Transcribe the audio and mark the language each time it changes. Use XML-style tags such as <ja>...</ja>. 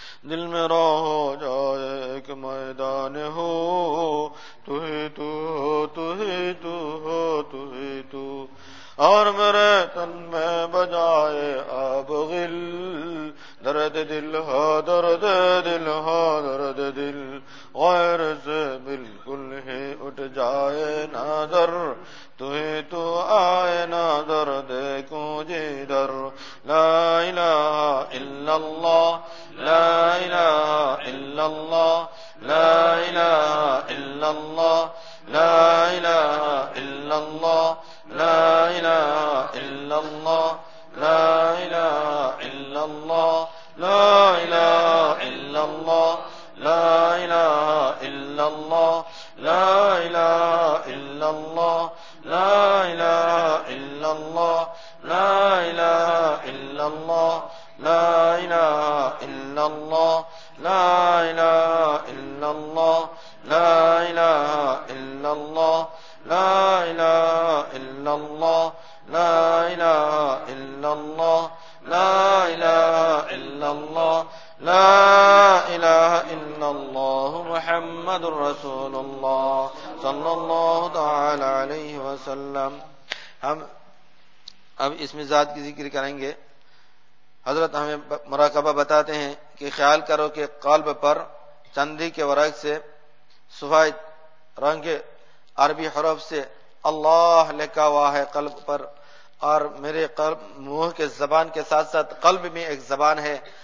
<ur>دل میں را ہو جائے ایک میدان ہو، تو ہی تو، تو ہی تو، تو ہی تو، اور میرے تن میں بجائے آب غل، درد دل ہا درد دل ہا درد دل، غیر سے بالکل ہی اٹھ جائے نظر، تو ہی تو آئے نظر دیکھوں جیدر.</ur> <ar>لا الہ الا اللہ، لا الہ الا اللہ، لا الہ الا اللہ، لا الله لا إله إلا الله لا إله إلا الله لا إله إلا الله لا إله إلا الله لا إله إلا الله لا إله إلا الله لا إله إلا الله لا إله إلا الله لا إله إلا الله لا إله إلا الله لا إله إلا الله لا إله إلا الله لا إله إلا الله لا إله إلا الله محمد رسول الله صلى الله تعالى عليه وسلم.</ar> <ur>ہم اب اس میں ذات کی ذکر کریں گے. حضرت ہمیں مراقبہ بتاتے ہیں کہ خیال کرو کہ قلب پر چندی کے ورق سے سفید رنگ کے عربی حرف سے اللہ لکھا ہوا ہے قلب پر, اور میرے قلب منہ کے زبان کے ساتھ ساتھ قلب میں ایک زبان ہے.</ur>